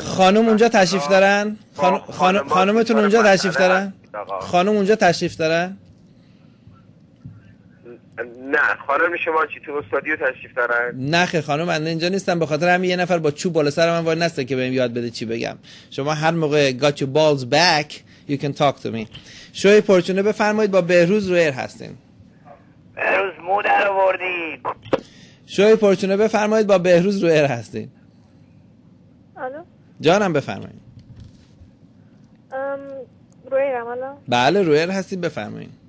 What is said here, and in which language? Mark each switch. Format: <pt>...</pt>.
<fa>خانم اونجا تشریف دارن؟ خانمتون اونجا تشریف دارن؟ خانم اونجا تشریف دارن؟ نه خانم شما چی تو استادیو تشریف دارن؟ نه خیر خانم من اینجا نیستم به خاطر همین یه نفر با چوب بالا سر من وای نسته که بهم یاد بده چی بگم. شما هر موقع</fa> <en>got your balls back you can talk to me.</en> <fa>شوی پرچونه بفرمایید. با بهروز رویر هستین. بهروز مودر آوردید. شوی پرچونه بفرمایید. با بهروز رویر هستین. الو جانم بفرمایید. رویرم. الو بله رویر هستید بفرمایید.</fa>